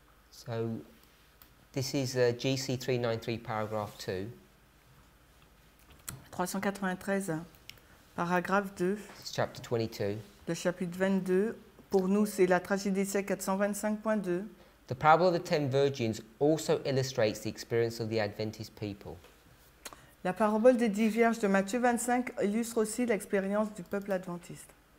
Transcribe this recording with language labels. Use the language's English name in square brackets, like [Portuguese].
[English] So, this is GC 393, paragraph 2. [French] 393, paragraphe 2. [English] It's chapter 22. [French] Le chapitre 22, pour nous, c'est la tragédie des 425.2. [English] The parable of the ten virgins also illustrates the experience of the Adventist people. [French] La parabole des dix vierges de Matthieu 25 illustre aussi l'expérience du peuple adventiste.